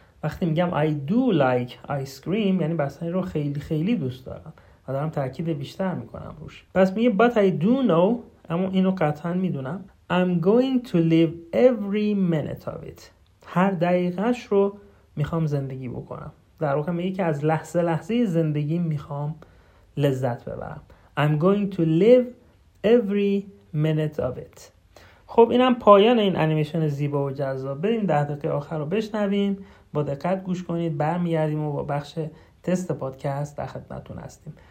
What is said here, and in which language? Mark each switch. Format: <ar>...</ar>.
<fa>وقتی میگم</fa> <en>I do like ice cream</en> <fa>یعنی بستنی رو خیلی خیلی دوست دارم و دارم تاکید بیشتر میکنم روش. پس میگه</fa> <en>but I do know،</en> <fa>اما اینو قطعا میدونم،</fa> <en>I'm going to live every minute of it،</en> <fa>هر دقیقش رو میخوام زندگی بکنم. در واقع میگه که از لحظه لحظه زندگی میخوام لذت ببرم.</fa> <en>I'm going to live every minute of it.</en> <fa>خب اینم پایان این انیمیشن زیبا و جذاب. بریم 10 دقیقه آخر رو بشنویم، با دقت گوش کنید، برمیگردیم و با بخش تست پادکست در خدمتتون هستیم.</fa>